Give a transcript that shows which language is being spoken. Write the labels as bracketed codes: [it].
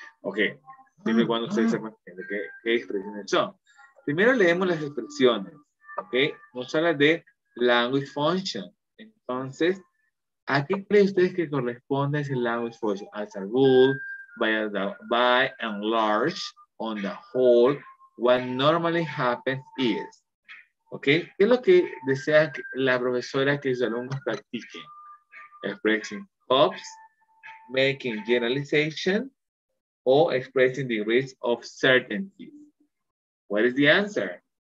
[es] Ok, dime cuando ustedes se entiende qué expresiones son. Primero leemos las expresiones, ¿ok? Nos habla de language function. Entonces, ¿a qué creen ustedes que corresponde ese language function? [en] As a rule, by and large, on the whole, what normally happens is, ¿ok? [es] ¿Qué es lo que desea la profesora que sus alumnos practiquen? [en] Expressing hopes, making generalization, o expressing degrees of certainty. What is the answer?